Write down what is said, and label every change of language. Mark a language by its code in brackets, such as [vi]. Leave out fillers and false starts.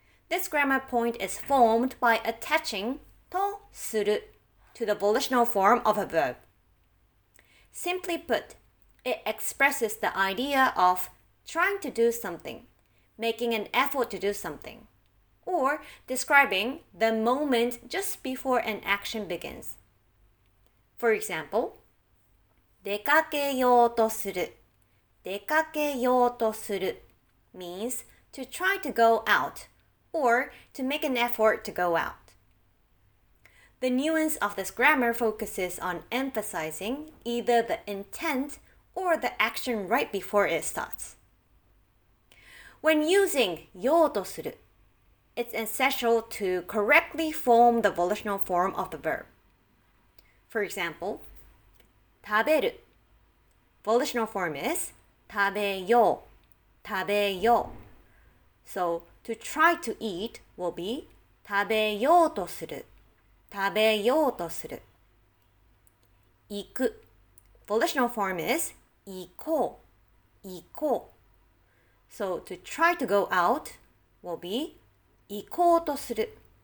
[en] This grammar point is formed by attaching とする to the volitional form of a verb. Simply put,It expresses the idea of trying to do something, making an effort to do something, or describing the moment just before an action begins. For example, [ja] 出かけようとする。出かけようとする [en] means to try to go out or to make an effort to go out. The nuance of this grammar focuses on emphasizing either the intent or the action right before it starts. When using 用途する, it's essential to correctly form the volitional form of the verb. For example, 食べる. Volitional form is [ja] 食べよう, 食べよう. [en] So to try to eat will be [ja] 食べようとする. 食べようとする。行く。 [en] Volitional form is [ja] 行こう。行こう。 [en] So to try to go out will be [ja] 行こうとする。